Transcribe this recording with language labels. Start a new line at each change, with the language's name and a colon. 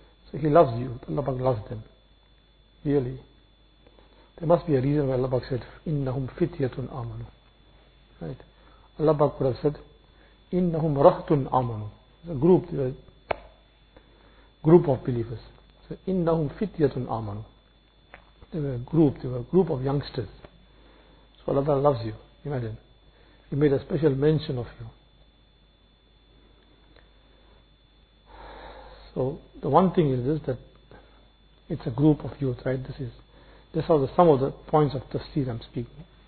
English: So He loves you, Allah Pak loves them. Really. There must be a reason why Allah Pak said,
Arabic: إِنَّهُمْ فِتْيَةٌ آمَنُوا.
English: Right? Allah Pak could have said,
Arabic: إِنَّهُمْ رَهْتٌ آمَنُوا.
English: It's a group, of believers.
Arabic: So, إِنَّهُمْ فِتْيَةٌ آمَنُوا.
English: They were a group, of youngsters. So Allah Pak loves you. Imagine. He made a special mention of you. So the one thing is this, that it's a group of youth, right? This are some of the points of tafsir I'm speaking.